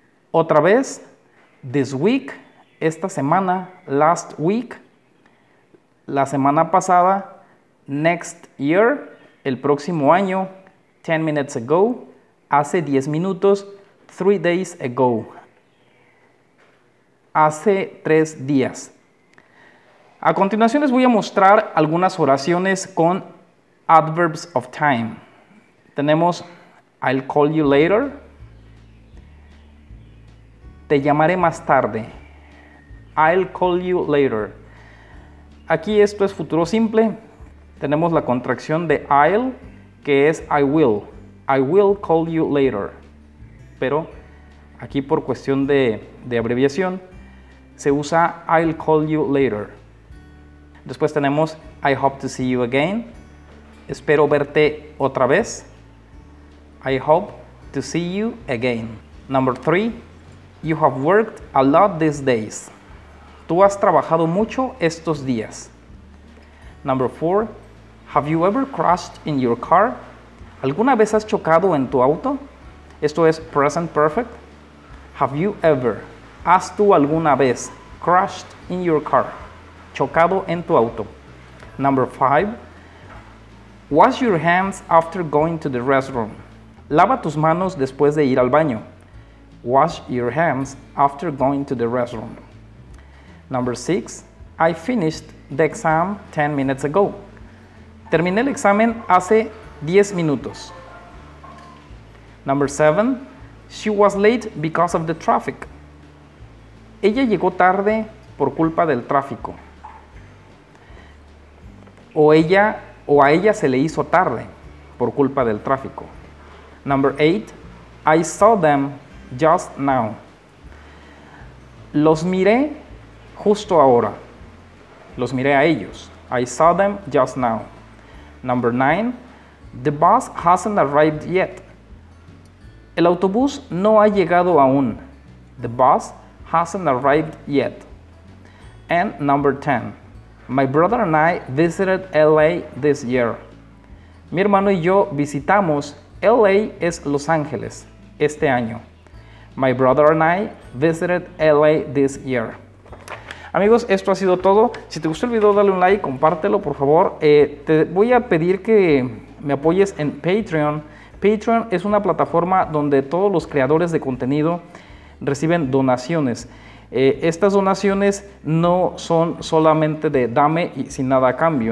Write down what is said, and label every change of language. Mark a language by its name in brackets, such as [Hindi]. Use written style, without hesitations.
[Spanish] otra vez, [English] this week, [Spanish] esta semana, [English] last week, [Spanish] la semana pasada, [English] next year, [Spanish] el próximo año, [English] 10 minutes ago, [Spanish] hace 10 minutos, [English] 3 days ago. [Spanish] Hace 3 días. A continuación les voy a mostrar algunas oraciones con [English] adverbs of time. [Spanish] Tenemos [English] I'll call you later. [Spanish] Te llamaré más tarde. [English] I'll call you later. [Spanish] Aquí esto es futuro simple. Tenemos la contracción de I'll, que es [English] I will. I will call you later. [Spanish] Pero aquí por cuestión de abreviación se usa [English] I'll call you later. [Spanish] Después tenemos [English] I hope to see you again. [Spanish] Espero verte otra vez. [English] I hope to see you again. Number 3. You have worked a lot these days. [Spanish] Tú has trabajado mucho estos días. [English] Number 4. Have you ever crashed in your car? [Spanish] ¿Alguna vez has chocado en tu auto? Esto es [English] present perfect. Have you ever? [Spanish] ¿Has tú alguna vez? [English] Crashed in your car. [Spanish] Chocado en tu auto. [English] Number 5. Wash your hands after going to the restroom. [Spanish] Lava tus manos después de ir al baño. [English] Wash your hands after going to the restroom. Number 6. I finished the exam 10 minutes ago. [Spanish] Terminé el examen hace 10 minutos. [English] Number 7. She was late because of the traffic. [Spanish] Ella llegó tarde por culpa del tráfico. O a ella se le hizo tarde por culpa del tráfico. [English] Number 8. I saw them just now. [Spanish] Los miré justo ahora. Los miré a ellos. [English] I saw them just now. Number 9. The bus hasn't arrived yet. [Spanish] El autobús no ha llegado aún. [English] The bus hasn't arrived yet. And number 10. My brother and I visited LA this year. [Spanish] Mi hermano y yo visitamos LA es Los Ángeles este año. [English] My brother and I visited LA this year. [Spanish] Amigos, esto ha sido todo. Si te gustó el video, dale un like, compártelo, por favor. Te voy a pedir que me apoyes en Patreon. Patreon es una plataforma donde todos los creadores de contenido reciben donaciones. Estas donaciones no son solamente de dame y sin nada a cambio.